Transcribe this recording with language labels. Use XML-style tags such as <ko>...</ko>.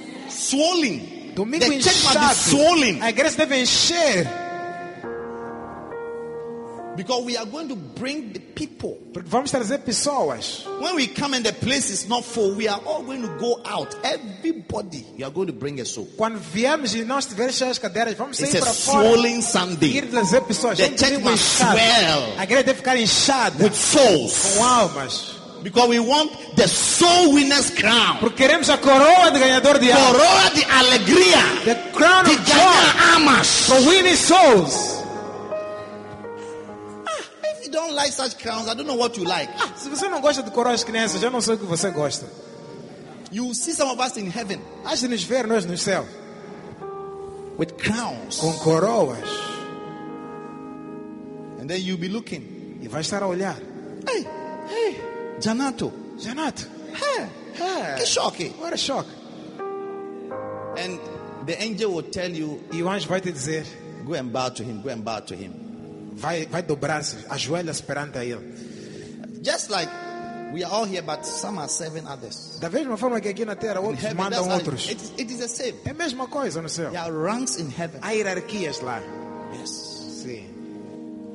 <en>Swollen.</en> <pt>Domingo</pt> <en>the</en> <pt>inchado.</pt> <en>Church must be swollen.</en> <pt>A igreja deve encher.</pt> <en>Because we are going to bring the people.</en> <pt>Vamos trazer pessoas.</pt> <en>When we come and the place is not full, we are all going to go out. Everybody, you are going to bring a soul.</en> <pt>Quando viemos e não estiver cheio as cadeiras, vamos sair para fora.</pt> <en>It's a swollen Sunday.</en> <pt>Ir trazer pessoas.</pt> <en>The church must swell.</en> <pt>A igreja deve ficar inchada.</pt> <en>With souls.</en> <pt>Com almas.</pt> <en>Because we want the soul winner's crown.</en> <pt>Porque queremos a coroa do ganhador de almas. Coroa de alegria.</pt> <en>The crown of joy.</en> <pt>De ganhar almas.</pt> <en>For winning souls. Don't like such crowns. I don't know what you like.</en> <pt>Ah, se você não gosta de coroas que nem essas, eu não sei o que você gosta.</pt> <en>You will see some of us in heaven.</en> <pt>Acho nos ver nós no céu.</pt> <en>With crowns.</en> <pt>Com coroas.</pt> <en>And then you'll be looking.</en> <pt>E vai estar a olhar.</pt> <en>Hey, hey, Janato. Hey,</en> <pt>que choque.</pt> <en>What a shock. And the angel will tell you.</en> <pt>E o anjo vai te dizer.</pt> <en>Go and bow to him. Go and bow to him.</en> <pt>Vai dobrar-se, ajoelha-se perante a ele.</pt> <en>Just like we are all here, but some are serving others.</en> <pt>Da mesma forma que aqui na Terra, outros</pt> <en>heaven,</en> <pt>mandam outros.</pt> <en>Like, it is the same.</en> <pt>É a mesma coisa no céu.</pt> <en>There are ranks in heaven.</en> <pt>Há hierarquias lá.</pt> <en>Yes.</en> <pt>Sim.</pt>